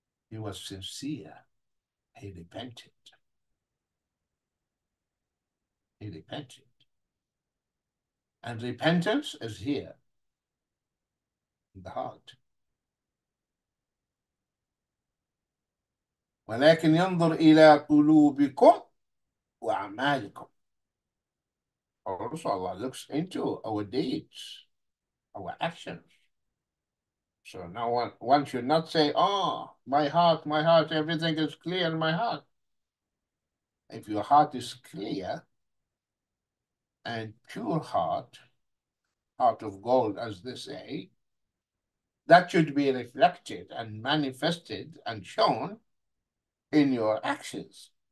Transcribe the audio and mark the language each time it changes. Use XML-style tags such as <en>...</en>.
<en>He was sincere. He repented. He repented. And repentance is here in the heart.</en> <ar>ولكن ينظر إلى قلوبكم وأعمالكم.</ar> <en>Also, Allah looks into our deeds, our actions. So now one should not say, oh, my heart, everything is clear in my heart. If your heart is clear and pure heart, heart of gold, as they say, that should be reflected and manifested and shown in your actions.</en>